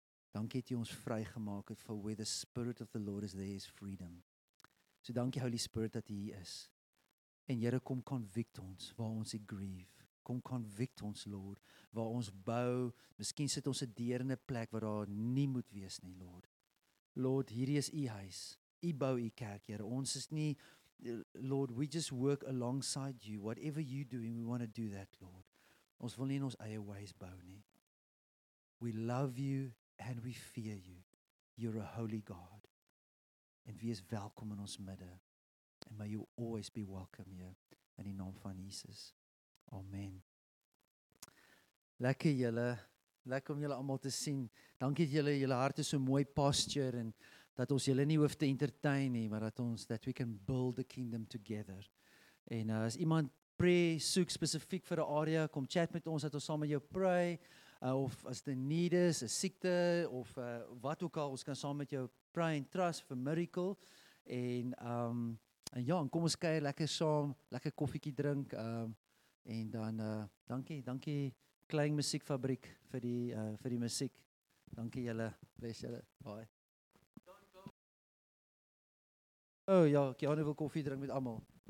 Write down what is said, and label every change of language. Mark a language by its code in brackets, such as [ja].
[af] Dankie dat jy ons vrygemaak het [en] for where the spirit of the Lord is, there is freedom. [af] So dankie Holy Spirit dat jy hier is. En Here kom convict ons waar ons grieve. Kom convict ons Lord, waar ons bou. Miskien sit ons 'n deur in 'n plek waar daar nie moet wees nie Lord. Lord, hierdie is u huis. U bou u kerk Here. Ons is nie, [en] Lord, we just work alongside you. Whatever you doing, we want to do that Lord. [af] Ons wil nie in ons eie ways bou nie. [en] We love you. And we fear you. You're a holy God. [af] En wees welkom in ons midde. [en] And may you always be welcome here. [af] In die naam van Jesus. Amen. Lekker julle. Lekker om julle allemaal te sien. Dankie julle. Julle hart is so mooi posture. En dat ons julle nie hoef te entertain nie. Maar dat ons, [en] that we can build the kingdom together. [af] En as iemand pray, soek specifiek vir 'n area. Kom chat met ons, dat ons saam met jou pray. Of as dit 'n need is, 'n siekte, of wat ook al, ons kan saam met jou pray [en] and trust for miracle, [af] en ja, en kom ons kuier lekker saam, lekker koffietjie drink, en dan, dankie, Klein Musiekfabriek, vir die musiek, dankie julle, bless julle, bye. Oh ja, Keanu wil koffie drink met allemaal.